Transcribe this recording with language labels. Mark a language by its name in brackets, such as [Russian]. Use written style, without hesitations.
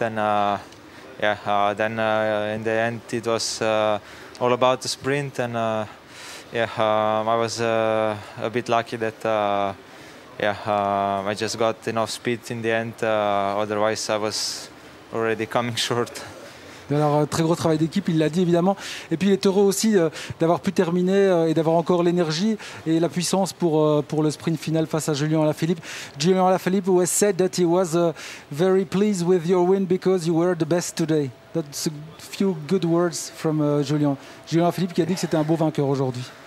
[English] And in the end, it was all about the sprint, and I was a bit lucky that I just got enough speed in the end. Otherwise, I was already coming short. [French] Alors, très gros travail d'équipe, il l'a dit évidemment. Et puis il est heureux aussi d'avoir pu terminer et d'avoir encore l'énergie et la puissance pour le sprint final face à Julian Alaphilippe. [English] Julian Alaphilippe has said that he was very pleased with your win because you were the best today. That's a few good words from Julian. [French] Julian Alaphilippe qui a dit que c'était un beau vainqueur aujourd'hui.